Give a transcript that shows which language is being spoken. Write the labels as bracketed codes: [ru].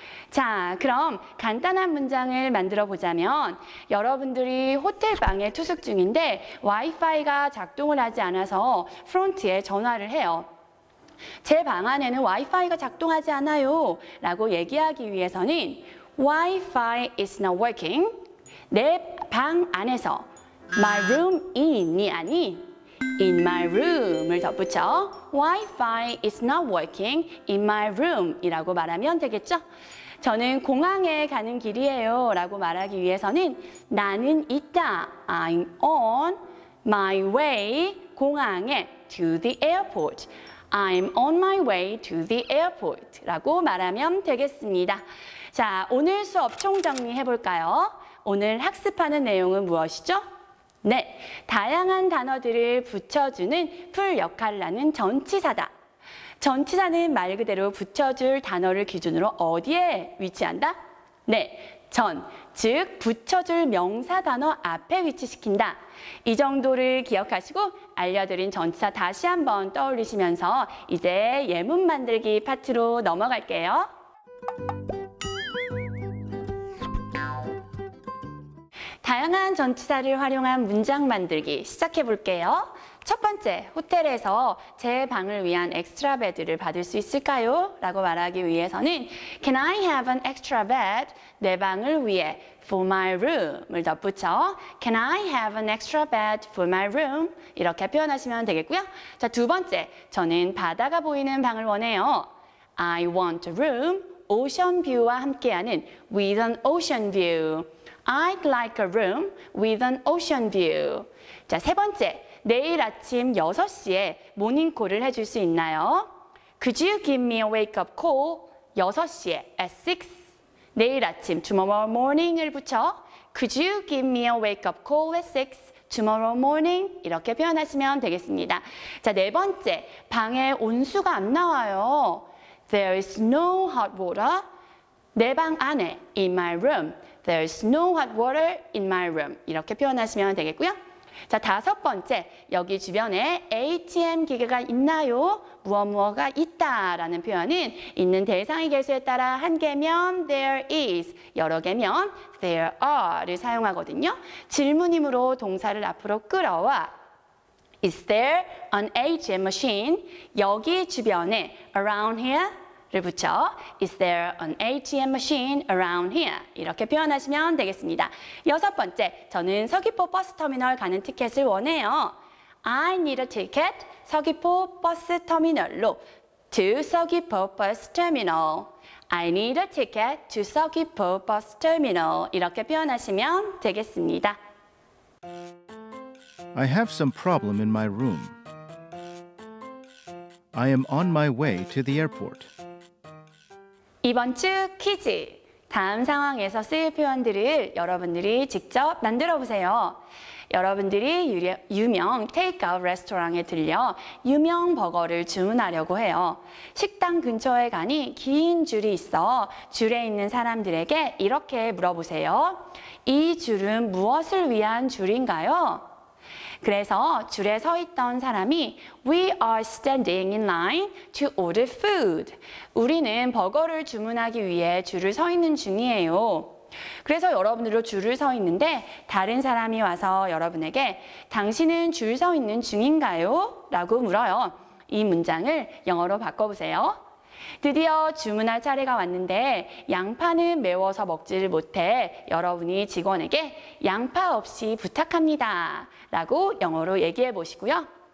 [ko] 자, 그럼 간단한 문장을 만들어 보자면 여러분들이 호텔 방에 투숙 중인데 와이파이가 작동을 하지 않아서 프론트에 전화를 해요. 제 방 안에는 와이파이가 작동하지 않아요 라고 얘기하기 위해서는 [en] Wi-Fi is not working. [ko] 내 방 안에서 [en] My room in [ko] 이 아닌 [en] In my room [ko] 을 덧붙여 [en] Wi-Fi is not working in my room [ko] 이라고 말하면 되겠죠. 저는 공항에 가는 길이에요 라고 말하기 위해서는 나는 있다 [en] I'm on my way [ko] 공항에 [en] to the airport I'm on my way to the airport [ko] 라고 말하면 되겠습니다. 자, 오늘 수업 총정리해 볼까요? 오늘 학습하는 내용은 무엇이죠? 네, 다양한 단어들을 붙여주는 풀 역할을 하는 전치사다. 전치사는 말 그대로 붙여줄 단어를 기준으로 어디에 위치한다? 네, 전, 즉 붙여줄 명사 단어 앞에 위치시킨다. 이 정도를 기억하시고 알려드린 전치사 다시 한번 떠올리시면서 이제 예문 만들기 파트로 넘어갈게요. 다양한 전치사를 활용한 문장 만들기 시작해 볼게요. 첫 번째, 호텔에서 제 방을 위한 엑스트라 베드를 받을 수 있을까요? 라고 말하기 위해서는 [en] Can I have an extra bed? [ko] 내 방을 위해 [en] for my room [ko] 을 덧붙여 [en] Can I have an extra bed for my room? [ko] 이렇게 표현하시면 되겠고요. 자, 두 번째, 저는 바다가 보이는 방을 원해요. [en] I want a room, [ko] 오션 뷰와 함께하는 [en] with an ocean view. I'd like a room with an ocean view. [ko] 자, 세 번째, 내일 아침 6시에 모닝콜을 해줄 수 있나요? [en] Could you give me a wake-up call [ko] 6시에 [en] at 6? [ko] 내일 아침 [en] tomorrow morning [ko] 을 붙여 [en] Could you give me a wake-up call at 6 tomorrow morning? [ko] 이렇게 표현하시면 되겠습니다. 자, 네 번째, 방에 온수가 안 나와요. [en] There is no hot water. [ko] 내 방 안에 [en] in my room. There's no hot water in my room. [ko] 이렇게 표현하시면 되겠고요. 자, 다섯 번째, 여기 주변에 ATM 기계가 있나요? 무엇무엇가 있다 라는 표현은 있는 대상의 개수에 따라 한 개면 there is, 여러 개면 there are를 사용하거든요. 질문임으로 동사를 앞으로 끌어와 [en] is there an ATM machine? [ko] 여기 주변에 [en] around here? [ko] 를 붙여 [en] is there an ATM machine around here? [ko] 이렇게 표현하시면 되겠습니다. 여섯 번째, 저는 서귀포 버스 터미널 가는 티켓을 원해요. [en] I need a ticket [ko] 서귀포 버스 터미널로 [en] to 서귀포 버스 터미널. I need a ticket to 서귀포 버스 터미널. [ko] 이렇게 표현하시면 되겠습니다. [en] I have some problem in my room. I am on my way to the airport. [ko] 이번 주 퀴즈, 다음 상황에서 쓸 표현들을 여러분들이 직접 만들어 보세요. 여러분들이 유명 테이크아웃 레스토랑에 들려 유명 버거를 주문하려고 해요. 식당 근처에 가니 긴 줄이 있어 줄에 있는 사람들에게 이렇게 물어보세요. 이 줄은 무엇을 위한 줄인가요? 그래서 줄에 서 있던 사람이 [en] We are standing in line to order food. [ko] 우리는 버거를 주문하기 위해 줄을 서 있는 중이에요. 그래서 여러분들도 줄을 서 있는데 다른 사람이 와서 여러분에게 당신은 줄 서 있는 중인가요? 라고 물어요. 이 문장을 영어로 바꿔보세요. 드디어 주문할 차례가 왔는데 양파는 매워서 먹지를 못해 여러분이 직원에게 양파 없이 부탁합니다 라고 영어로 얘기해 보시고요.